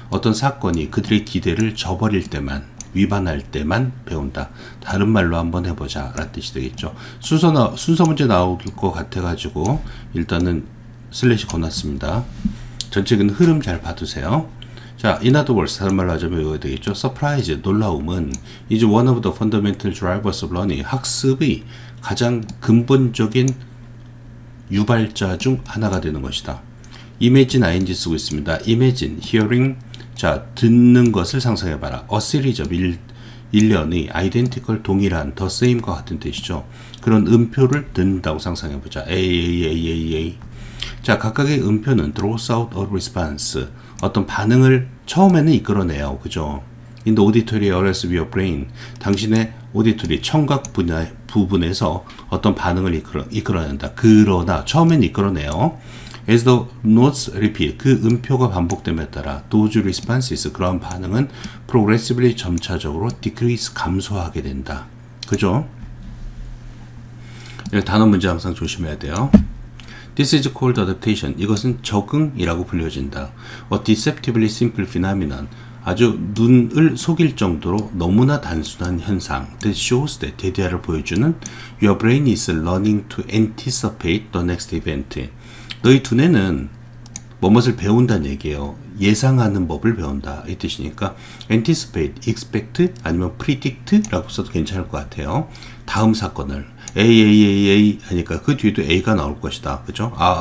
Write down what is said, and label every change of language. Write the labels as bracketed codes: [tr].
[ko] 어떤 사건이 그들의 기대를 저버릴 때만, 위반할 때만 배운다. 다른 말로 한번 해보자 라는 뜻이 되겠죠. 순서 문제 나올 것 같아가지고 일단은 슬래시 걷어놨습니다. 전체적인 흐름 잘 봐두세요. 자, [en] in other words, [ko] 다른 말로 하자면 이거 되겠죠. [en] surprise, [ko] 놀라움은 [en] is one of the fundamental drivers of learning. [ko] 학습이 가장 근본적인 유발자 중 하나가 되는 것이다. imagine, ing 쓰고 있습니다. imagine, hearing, 자, 듣는 것을 상상해봐라. [en] a series of [ko] 일련이 [en] identical, [ko] 동일한, [en] the same과 [ko] 같은 뜻이죠. 그런 음표를 듣는다고 상상해보자. [en] a. [ko] 자, 각각의 음표는 [en] draws out a response. [ko] 어떤 반응을 처음에는 이끌어내요. 그죠? [en] In the auditory areas of your brain. [ko] 당신의 auditory, 청각 분야 부분에서 어떤 반응을 이끌어낸다. 그러나 처음엔 이끌어내요. [en] As the notes repeat, [ko] 그 음표가 반복됨에 따라 [en] those responses, [ko] 그런 반응은 progressively, 점차적으로 decrease, 감소하게 된다. 그죠? 단어 문제 항상 조심해야 돼요. [en] This is called adaptation. [ko] 이것은 적응이라고 불려진다. [en] A deceptively simple phenomenon. [ko] 아주 눈을 속일 정도로 너무나 단순한 현상. [en] That shows that, [ko] 대대화를 보여주는 [en] Your brain is learning to anticipate the next event. [ko] 너희 두뇌는 무엇을 배운다는 얘기예요. 예상하는 법을 배운다. 이 뜻이니까 anticipate, expect, 아니면 predict 라고 써도 괜찮을 것 같아요. 다음 사건을 A 하니까 그 뒤에도 A가 나올 것이다. 그죠?